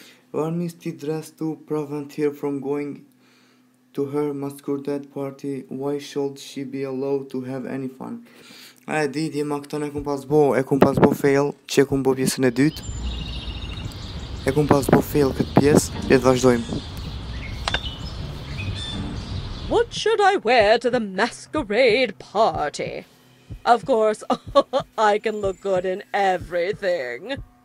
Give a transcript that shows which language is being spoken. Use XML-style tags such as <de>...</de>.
<en>One is the dress to prevent her from going to her masquerade party. Why should she be allowed to have any fun?</en> <sq>A e di, dhe ma këton e kum pas bo fail, që e kum bo pjesën e dytë. E kum pas bo fail këtë pjesë, le të vazhdojmë.</sq> <en>What should I wear to the masquerade party? Of course, I can look good in everything.</en>